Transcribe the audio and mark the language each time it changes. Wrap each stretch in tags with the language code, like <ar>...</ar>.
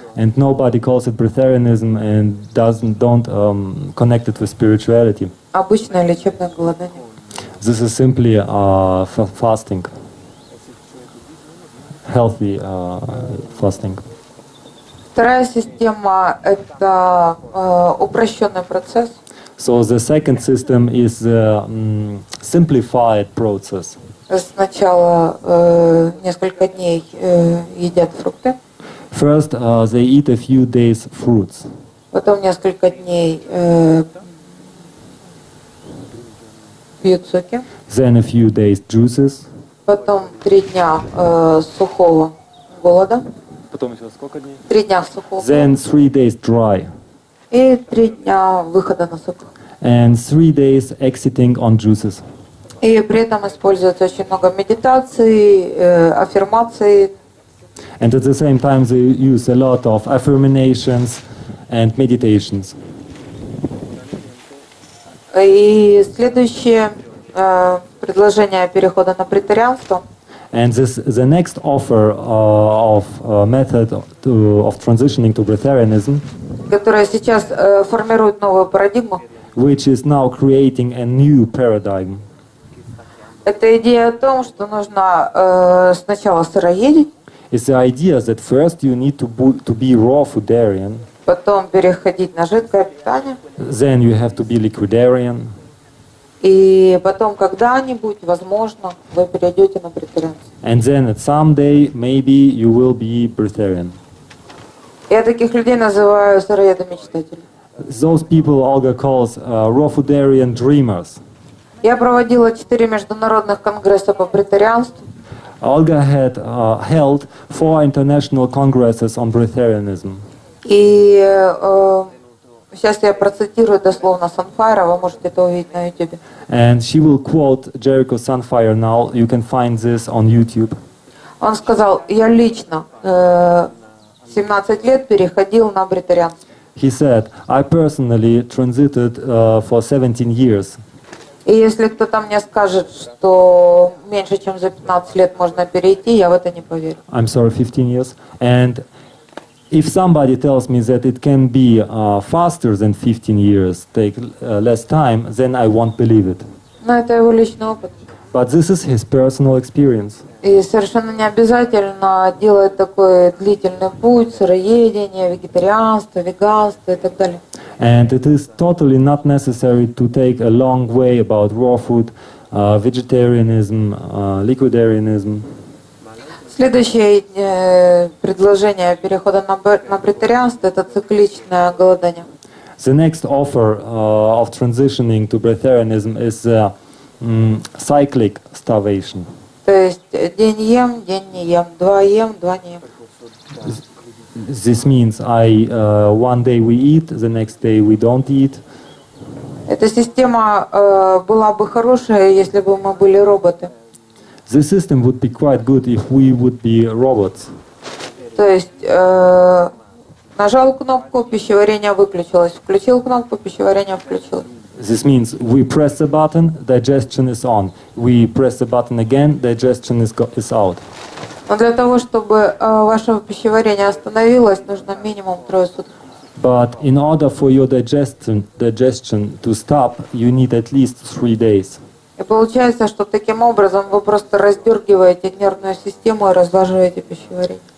<en>And nobody calls it breatharianism and don't connect it with spirituality.</en> <ru>Обычное лечебное голодание.</ru> <en>This is simply fasting. Healthy fasting.</en> <ru>Вторая система – это упрощенный процесс.</ru> <en>So the second system is a simplified process.</en> <ru>Сначала несколько дней едят фрукты.</ru> <en>First they eat a few days fruits.</en> <ru>Потом несколько дней пьют соки.</ru> <en>Then a few days juices.</en> <ru>Потом 3 дня сухого голода. Потом еще сколько дней? 3 дня сухого.</ru> <en>Then 3 days dry.</en> <ru>И 3 дня выхода на сок.</ru> <en>And 3 days exiting on juices.</en> <ru>И при этом используется очень много медитации, аффирмаций.</ru> <en>And at the same time they use a lot of affirmations and meditations.</en> <ru>И следующее предложение перехода на бритарианство.</ru> <en>And this, the next offer of method to, of transitioning to breatharianism.</en> <ru>Которая сейчас формирует новую парадигму.</ru> <en>Which is now creating a new paradigm.</en> <ru>Это идея о том, что нужно сначала сыроедить.</ru> <en>It's the idea that first you need to be raw foodarian.</en> <ru>Потом переходить на жидкое питание.</ru> <en>Then you have to be liquidarian.</en> <ru>И потом когда-нибудь, возможно, вы перейдете на бритарианство.</ru> <en>And then at some day maybe you will be bretarian.</en> <ru>Я таких людей называю сыроедами-мечтателями.</ru> <en>Those people Olga calls raw foodarian dreamers.</en> <ru>Я проводила 4 международных конгресса по бритарианству.</ru> <en>Olga had held 4 international congresses on breatharianism.</en> <ru>И сейчас я процитирую дословно Sunfire, вы можете это увидеть на YouTube.</ru> <en>And she will quote Jericho Sunfire now. You can find this on YouTube.</en> <ru>Он сказал: "Я лично 17 лет переходил на бритарианство."</ru> <en>He said, "I personally transited for 17 years."</en> <ru>И если кто-то мне скажет, что меньше чем за 15 лет можно перейти, я в это не поверю.</ru> <en>I'm sorry, 15 years. And if somebody tells me that it can be faster than 15 years, take less time, then I won't believe it.</en> <ru>Но это его личный опыт.</ru> <en>But this is his personal experience.</en> <ru>И совершенно не обязательно делать такой длительный путь, сыроедение, вегетарианство, веганство и так далее.</ru> <en>And it is totally not necessary to take a long way about raw food, vegetarianism, liquidarianism.</en> <ru>Следующее предложение перехода на вегетарианство – это цикличное голодание.</ru> <en>The next offer of transitioning to breatharianism is cyclic starvation.</en> <ru>То есть день ем, день не ем, два ем, два не ем.</ru> <en>This means I one day we eat, the next day we don't eat.</en> <ru>Эта система была бы хорошая, если бы мы были роботы.</ru> <en>This system would be quite good if we would be robots.</en> <ru>То есть нажал кнопку, пищеварение выключилось, включил кнопку, пищеварение включилось.</ru> <en>This means we press the button, digestion is on. We press the button again, digestion is out.</en> <ru>Но для того, чтобы ваше пищеварение остановилось, нужно минимум трое суток.</ru> <en>But in order for your digestion to stop, you need at least 3 days.</en> <ru>И получается, что таким образом вы просто раздергиваете нервную систему и разлаживаете пищеварение.</ru>